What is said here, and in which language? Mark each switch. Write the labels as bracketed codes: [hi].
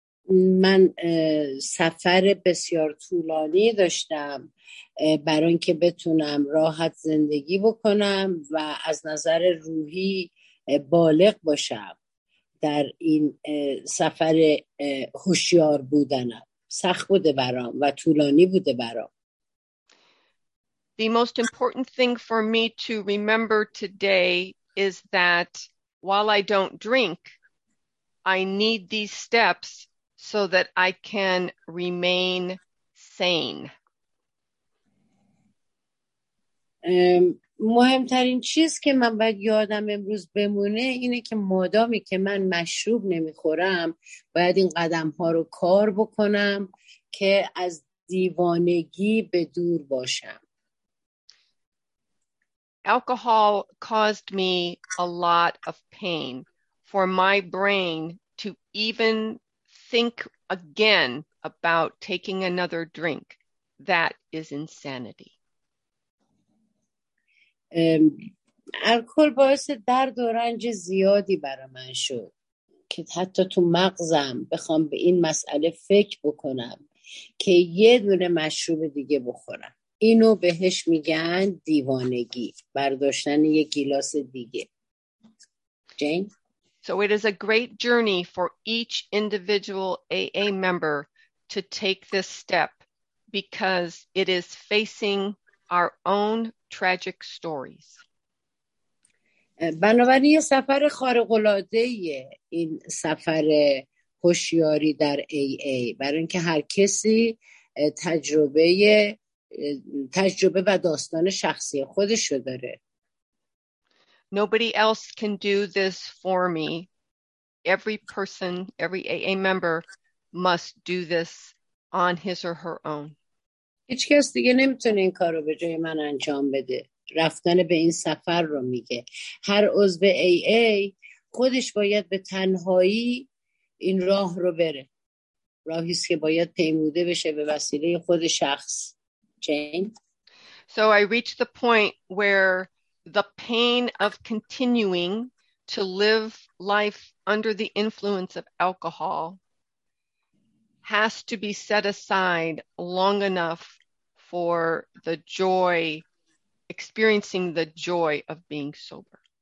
[fa] من سفر بسیار طولانی داشتم برای اینکه بتونم راحت زندگی بکنم و از نظر روحی بالغ باشم در این سفر هوشیار بودنم. سخت بوده برام و طولانی بوده برام. [en] The most important thing for me to remember today is that while I don't drink, I need these steps so that I can remain sane. [fa] مهمترین چیز که من باید یادم امروز بمونه اینه که مادامی که من مشروب نمیخورم باید این قدم ها رو کار بکنم که از دیوانگی به دور باشم. [en] Alcohol caused me a lot of pain for my brain to even think again about taking another drink. That is insanity. [fa] الکل باعث درد و رنج زیادی برای من شد که حتی تو مغزم بخوام به این مسئله فکر بکنم که یه دونه مشروب دیگه بخورم. اینو بهش میگن دیوانگی، برداشتن یک گیلاس دیگه. جین؟ [en] So it is a great journey for each individual AA member to take this step because it is facing our own tragic stories. [fa] بنابراین یه سفر خارق‌العاده‌ایه این سفر هوشیاری در AA، برای اینکه هر کسی تجربه و داستان شخصی خودش رو داره. [en] Nobody else can do this for me. Every person, every AA member must do this on his or her own. [fa] هیچ کس دیگه نمیتونه این کارو به جای من انجام بده. رفتن به این سفر رو میگه. هر عضو AA خودش باید به تنهایی این راه رو بره. راهی است که باید پیموده بشه به وسیله خود شخص. [en] Jane? So I reached the point where the pain of continuing to live life under the influence of alcohol has to be set aside long enough for the joy, experiencing the joy of being sober.